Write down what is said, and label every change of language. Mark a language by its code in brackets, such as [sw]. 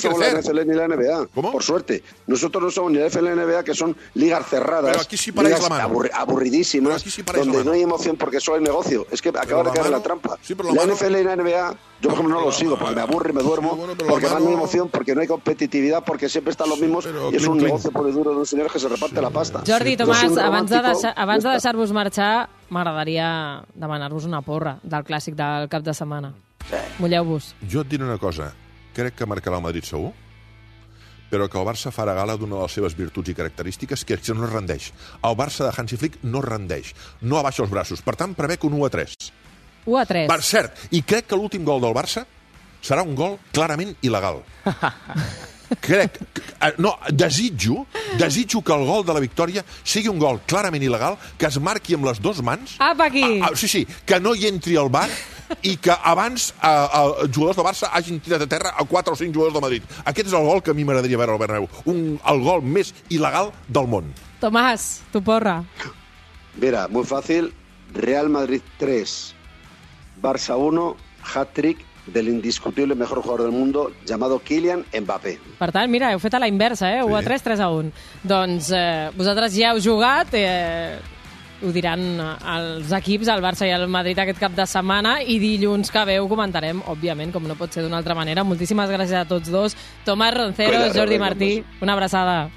[es] Es que nosotros no somos la NFL ni la NBA. ¿Cómo? Por suerte. Nosotros no somos ni la NFL ni la NBA, que son ligas cerradas. Pero aquí sí paráis la mano. Aburridísimas. Pero aquí sí paráis la mano. Donde no hay emoción porque solo hay negocio. Es que acaba de caer la trampa. Sí, pero la NFL y la NBA... Yo como no lo sigo, porque me aburre, me duermo, sí, bueno, porque mano... no hay emoción, porque no hay competitividad, porque siempre están los mismos, sí, y es un negocio por el duro de un señor que se reparte, sí, la pasta. [ca] Jordi, sí, Tomás, abans de deixar-vos marxar, m'agradaria demanar-vos una porra del clàssic del cap de setmana. Sí. Mulleu-vos. Jo et diré una cosa, crec que marcarà el Madrid segur, però que el Barça farà gala d'una de les seves virtuts i característiques, que és que no es rendeix. El Barça de Hansi Flick no es rendeix, no abaixa els braços. Per tant, prevec un 1-3. 1-3. Per cert, i crec que l'últim gol del Barça serà un gol clarament il·legal. Crec, no, desitjo que el gol de la victòria sigui un gol clarament il·legal, que es marqui amb les dues mans. Apa, aquí! Sí, que no hi entri el bar i que abans els jugadors de Barça hagin tirat a terra a 4 o 5 jugadors de Madrid. Aquest és el gol que a mi m'agradaria veure al Bernabéu. El gol més il·legal del món. Tomàs, tu porra. Mira, molt fàcil. Real Madrid 3. [es] Barça 1, hat-trick del indiscutible mejor jugador del mundo llamado Kylian Mbappé. [ca] Per tant, mira, heu fet a la inversa, eh? 1-3, 3-1. Doncs vosaltres ja heu jugat, ho diran els equips, el Barça i el Madrid aquest cap de setmana, i dilluns que ve ho comentarem, òbviament, com no pot ser d'una altra manera. Moltíssimes gràcies a tots dos. Tomàs Roncero, Jordi Martí, una abraçada.